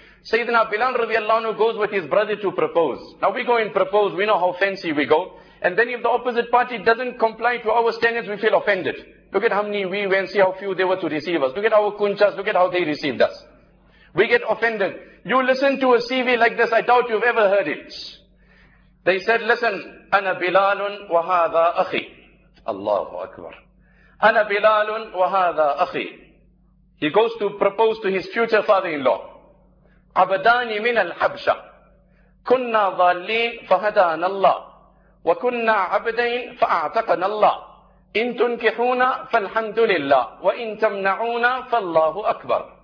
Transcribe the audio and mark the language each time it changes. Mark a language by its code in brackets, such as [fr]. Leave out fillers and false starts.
[en] Sayyidina Bilal radiallahu anhu goes with his brother to propose. Now we go and propose, we know how fancy we go. And then if the opposite party doesn't comply to our standards, we feel offended. Look at how many we went, see how few they were to receive us. Look at our kunchas, look at how they received us. We get offended. You listen to a CV like this, I doubt you've ever heard it. They said, listen, [ar] أنا بلال وهذا أخي. Allahu Akbar. أنا بلال وهذا أخي. [en] He goes to propose to his future father-in-law. [ar] عَبَدَانِ مِنَ الْحَبْشَةِ كُنَّا ظَالِينَ فَهَدَانَ اللَّهِ وَكُنَّا عَبْدَيْنَ فَأَعْتَقَنَ اللَّهِ إِن تُنْكِحُونَ فَالْحَمْدُ لِلَّهِ وَإِن تَمْنَعُونَ فَاللَّهُ أَكْبَرُ.